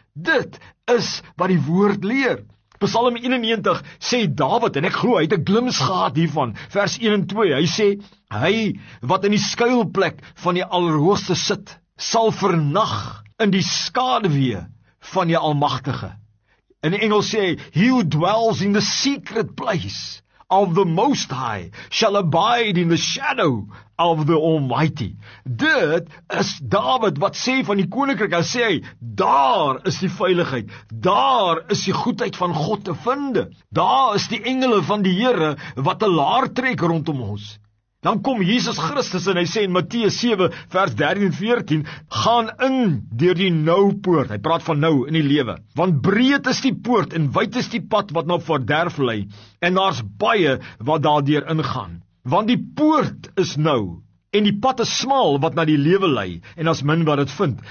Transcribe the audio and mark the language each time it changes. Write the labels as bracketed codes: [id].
[af] Dit is wat die woord leer. Psalm 91 sê Dawid, en ek glo hy het 'n glimps gehad hiervan, vers 1 en 2. Hy sê hy wat in die skuilplek van die Allerhoogste sit, sal vernag in die skaduwee van die Almagtige. In Engels sê hy, [en] he who dwells in the secret place of the Most High shall abide in the shadow of the Almighty. [af] Dit is Dawid wat sê van die koninkryk, hy sê, daar is die veiligheid, daar is die goedheid van God te vinde, daar is die engele van die Here wat 'n laar trek rondom ons. Dan kom Jesus Christus en hy sê in Matteus 7 vers 13 en 14, gaan in deur die nou poort, hy praat van nou in die lewe, want breed is die poort en wyd is die pad wat na verderf lei, en daar's baie wat daardeur ingaan, want die poort is nou en die pad is smal wat na die lewe lei, en as min wat dit vind.